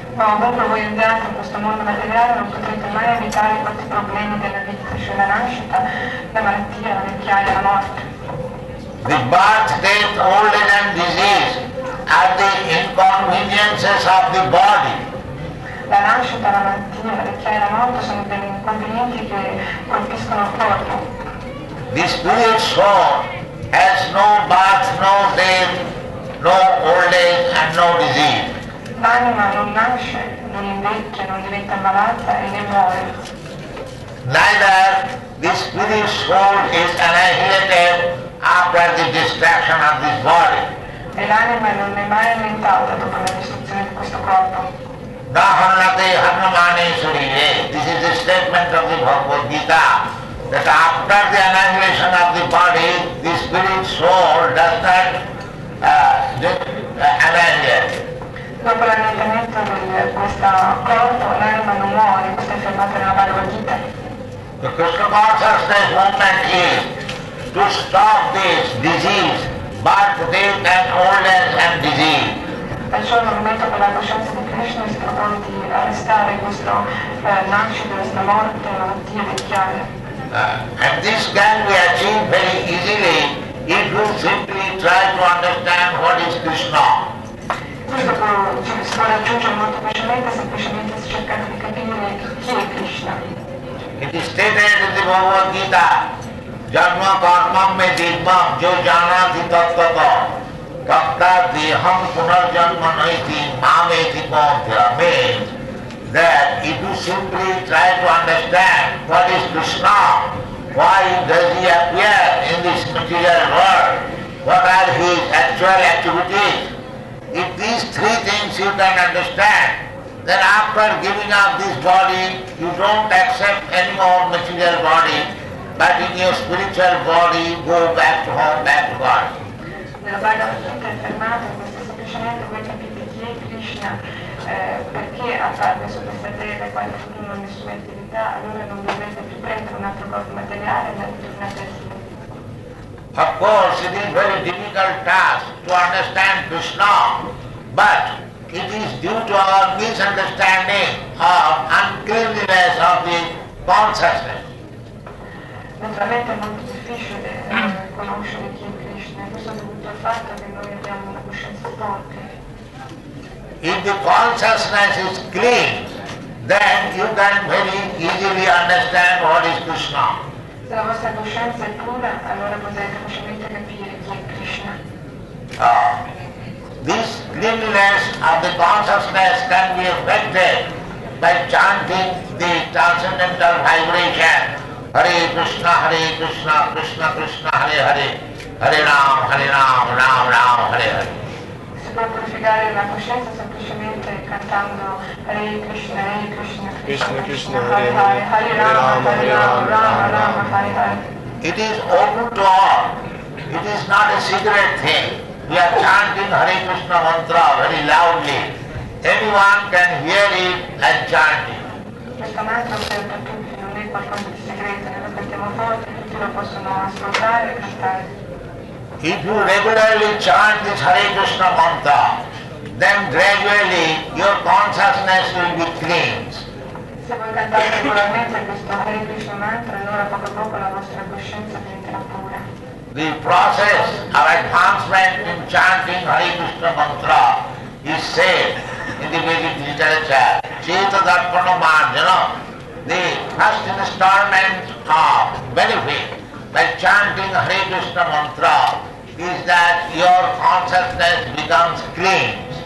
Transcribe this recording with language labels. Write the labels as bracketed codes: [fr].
[en] The birth, death, old age and disease are the inconveniences of the body. [it] La nascita, la malattia, la vecchiaia e la morte sono degli inconvenienti che colpiscono il corpo. [en] The spirit soul has no birth, no death, no old age and no disease. [it] L'anima non nasce, non invecchia, non diventa malata e ne muore. [en] Neither the spirit soul is annihilated after the destruction of this body. [it] E l'anima non è mai annientata dopo la distruzione di questo corpo. [sa] Dahanate Hanumane Surire. [en] This is a statement of the Bhagavad Gita that after the annihilation of the body, the spirit soul does not annihilate. [it] Dopo l'annientamento di questo corpo, l'anima non muore, questo è affermato nella Bhagavad Gita. [en] The Krishna consciousness movement is to stop this disease, birth, death and old age and disease. [it] Perciò il movimento per la coscienza di Krishna si propone di arrestare questo nascita, questa morte, la malattia vecchiaia. [en] And this can be achieved very easily if you simply try to understand what is Krishna. [it] Questo si può raggiungere molto facilmente semplicemente cercando di capire chi è Krishna. [en] It is stated in the Bhagavad Gita, [sa] Janma karma me dhimam jo janati tattata. [en] That if you simply try to understand what is Krishna, why does he appear in this material world, what are his actual activities, if these three things you can understand, then after giving up this body, you don't accept any more material body, but in your spiritual body, go back to home, back to God. [it] Nella Bhagavad Gita è affermato che se semplicemente voi capite chi è Krishna, perché ha fatto su questa terra quando non ha nessuna attività, allora non dovrete più prendere un altro corpo materiale e tornate a sé. [en] Of course it is a very difficult task to understand Krishna, but it is due to our misunderstanding of uncleanliness of the Bonds husband. [it] Naturalmente è molto difficile conoscere chi è Krishna, questo è dovuto al fatto che noi abbiamo una coscienza forte. [en] If the consciousness is clean, then you can very easily understand what is Krishna. [it] Se la vostra coscienza è pura, allora potete facilmente capire chi è Krishna. [en] This cleanliness of the consciousness can be affected by chanting the transcendental vibration. [sa] Hare Krishna, Hare Krishna, Krishna Krishna, Hare Hare, Hare Ram, Hare Ram, Ram Ram, Hare Hare. [it] Si può purificare la coscienza semplicemente cantando Hare Krishna, Hare Krishna, [sa] Krishna Krishna, Hare Hare, Hare Ram, Hare Ram, Ram Ram, Hare Hare. [en] It is open to all. It is not a secret thing. We are chanting Hare Krishna mantra very loudly. Anyone can hear it and chant it. [it] Questo mantra è per tutti, non è qualcosa di segreto, noi lo cantiamo forte, tutti lo possono ascoltare e cantare. [en] If you regularly chant this Hare Krishna mantra, then gradually your consciousness will be cleansed. [it] Se voi cantate regolarmente questo Hare Krishna mantra, allora poco a poco la vostra coscienza diventerà pura. [en] The process of advancement in chanting Hare Krishna mantra is said in the Vedic literature. [sa] Chita Darpana Marjana, [en] the first installment of benefit by chanting Hare Krishna mantra is that your consciousness becomes clean.